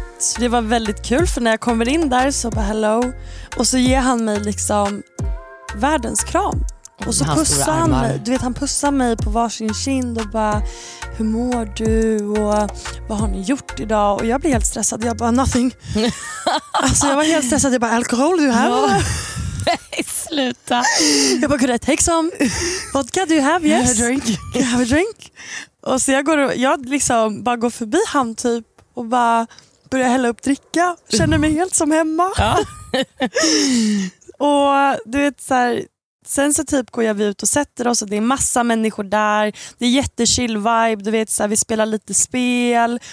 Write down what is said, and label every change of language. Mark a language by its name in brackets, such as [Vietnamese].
[Swedish] Så det var väldigt kul, för när jag kommer in där så bara hello. Och så ger han mig liksom världens kram. Och så pussar han mig, du vet, han pussar mig på varsin kind och bara, hur mår du och vad har ni gjort idag? Och jag blir helt stressad, jag bara, nothing. Alltså jag var helt stressad, jag bara, alkohol du här? Nej, sluta. Jag bara, [English] could I take some vodka, do you have, yes? Can I have a drink? [Swedish] Och så jag går förbi han typ och bara börjar hälla upp dricka, känner mig helt som hemma. Ja. Och du vet så här. Sen så typ går jag ut och sätter oss och det är massa människor där. Det är jättechill vibe, du vet så här, vi spelar lite spel.